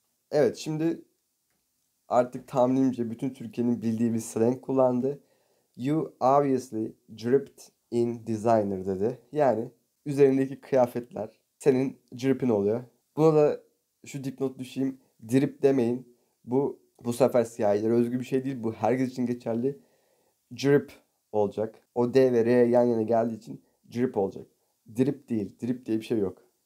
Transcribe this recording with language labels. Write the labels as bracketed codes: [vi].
[tr] Evet, şimdi artık tahminimce bütün Türkiye'nin bildiği bir slang kullandı. [en] You obviously dripped in designer [tr] dedi. Yani üzerindeki kıyafetler senin dripin oluyor. Buna da şu dipnot düşeyim. Drip demeyin. Bu sefer siyahilere özgü bir şey değil. Bu herkes için geçerli. Drip olacak. O D ve R yan yana geldiği için drip olacak. Drip değil. Drip diye bir şey yok.